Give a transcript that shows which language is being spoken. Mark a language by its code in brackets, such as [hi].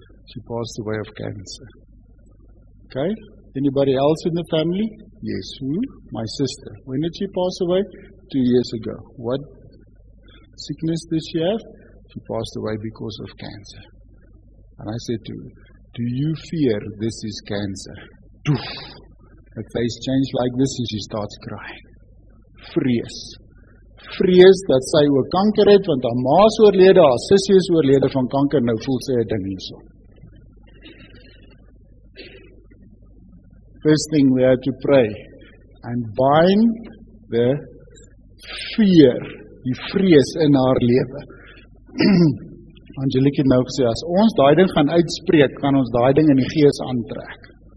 [en] She passed away of cancer. Okay, anybody else in the family? Yes, who? My sister. When did she pass away? 2 years ago. What sickness did she have? She passed away because of cancer. And I said to her, do you fear this is cancer? Her face changed like this and she starts crying. [af] Vrees. Vrees dat sy ook kanker het, want haar ma is oorlede, haar sussie is oorlede van kanker, nou voel sy 'n ding hierso. [en] First thing we had to pray and bind the fear, [af] die vrees in haar lewe. Angelique het nou gesê, as ons daai ding gaan uitspreek, kan ons daai ding in die gees aantrek.